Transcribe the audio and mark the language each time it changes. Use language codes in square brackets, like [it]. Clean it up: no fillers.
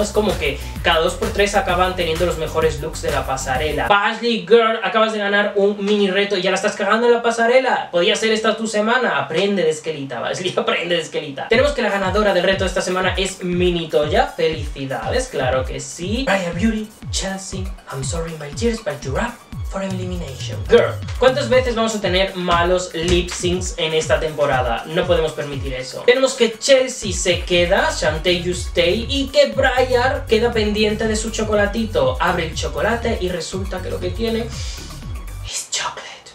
[es] Es como que cada 2x3 acaban teniendo los mejores looks de la pasarela. Bashley, [en] girl, [es] acabas de ganar un mini reto y ya la estás cagando en la pasarela. Podía ser esta tu semana. Aprende de Esquelita, Bashley, aprende de Esquelita. Tenemos que la ganadora del reto de esta semana es Mini Toya. Felicidades, claro que sí. [en] Raya Beauty, Chelsea, I'm sorry my tears, but you're up for elimination. Girl, [es] ¿cuántas veces vamos a tener malos lip syncs en esta temporada? No podemos permitir eso. Tenemos que Chelsea se queda, Shantae you stay, y que Briar queda pendiente de su chocolatito. Abre el chocolate y resulta que lo que tiene es chocolate.